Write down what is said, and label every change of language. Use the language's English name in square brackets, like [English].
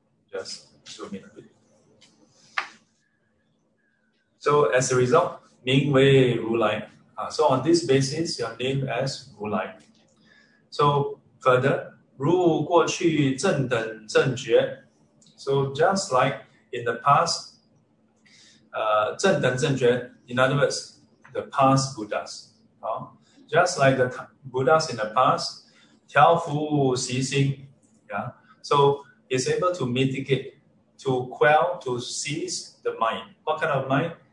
[English] Just zoom in a bit. So as a result, Ming Wei Ru Lai. So on this basis, you are named as Ru Lai. So further, [Chinese] 如过去正等正觉. [English] So just like in the past, 正等正觉, in other words, the past Buddhas. Just like the Buddhas in the past, [Chinese] 调伏习性, [English] yeah. So it's able to mitigate, to quell, to seize the mind. What kind of mind?